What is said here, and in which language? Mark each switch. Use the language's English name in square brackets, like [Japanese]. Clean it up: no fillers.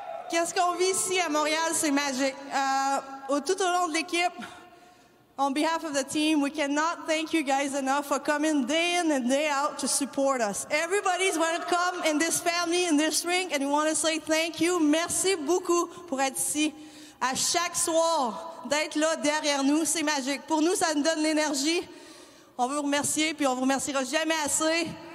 [French] Qu'est-ce qu'on vit ici à Montréal, c'est magique. Tout au long de l'équipe, [English] on behalf of the team, we cannot thank you guys enough for coming day in and day out to support us. Everybody's welcome in this family, in this ring, and we want to say thank you. [French] Merci beaucoup pour être ici. À chaque soir, d'être là derrière nous, c'est magique. Pour nous, ça nous donne l'énergie. On veut vous remercier, puis on vous remerciera jamais assez.